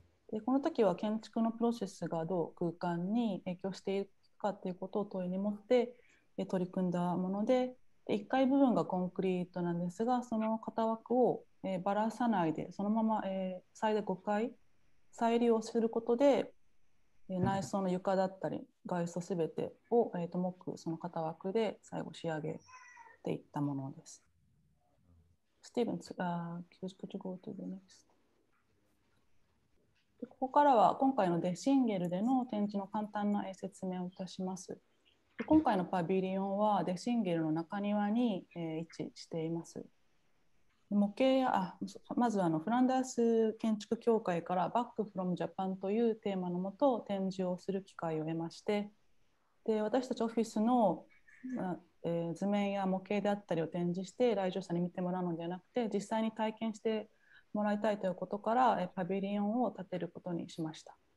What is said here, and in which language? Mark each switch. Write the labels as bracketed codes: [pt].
[ja] で、この時は建築のプロセスがどう空間に影響しているかということを問いに持って取り組んだもので、1階部分がコンクリートなんですが、その型枠をばらさないで、そのまま最大5階再利用することで、内装の床だったり外装すべてを、木その型枠で最後仕上げていったものです。 [en] スティーブンス、could you go to the next? [ja] で、ここからは今回のデシンゲルでの展示の簡単な説明をいたします。で、今回のパビリオンはデシンゲルの中庭に、位置しています。模型や、まずフランダース建築協会からバックフロムジャパンというテーマのもと展示をする機会を得まして、で、私たちオフィスの、図面や模型であったりを展示して来場者に見てもらうのではなくて、実際に体験してもらいたいということから、パビリオンを建てることにしました。